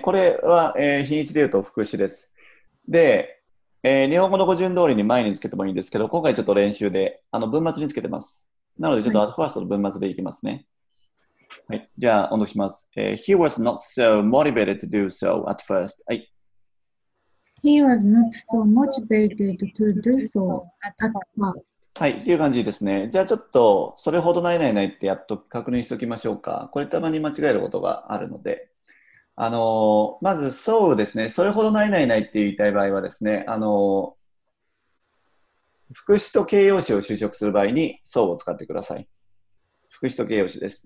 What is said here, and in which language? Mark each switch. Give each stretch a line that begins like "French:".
Japanese: これは、品詞で言うと副詞です。で、日本語の語順通りに前につけてもいいんですけど、今回ちょっと練習で、文末につけてます。なので、ちょっと at first の文末でいきますね。はいはい、じゃあ音読します。
English: He was not so motivated to do so at first.、はい、 He was not so motivated to do so at first.
Japanese: はい、っていう感じですね。じゃあちょっとそれほどないないないってやっと確認しておきましょうか。これたまに間違えることがあるので。まず、so ですね。それほどないないないって言いたい場合はですね、副詞と形容詞を修飾する場合に so を使ってください。副詞と形容詞です。